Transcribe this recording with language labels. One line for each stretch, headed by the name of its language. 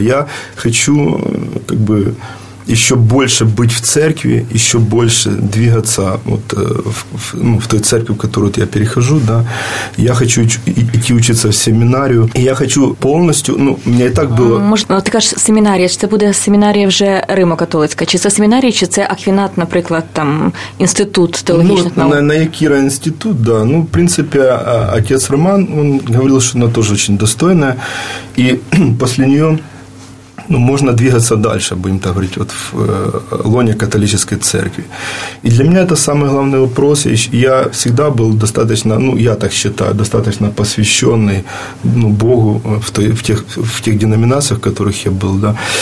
Russian: Я хочу как бы еще больше быть в церкви, еще больше двигаться вот, в той церкви, в которую я перехожу. Да. Я хочу идти учиться в семинарию. И я хочу полностью... Ну, у меня и так было...
Ukrainian: Ты кажешь, семинария. Чи це буде семинария вже Римо-католицька? Чи це семинария, чи це Аквінат, наприклад, там, институт теологічних наук?
Russian: На Якіра институт, да. Ну, в принципе, отец Роман, он говорил, что она тоже очень достойная. И после нее... Ну, можно двигаться дальше, будем так говорить, вот в лоне католической церкви. И для меня это самый главный вопрос. Я всегда был достаточно, ну, я так считаю, достаточно посвященный, ну, Богу в тех деноминациях, в которых я был, да.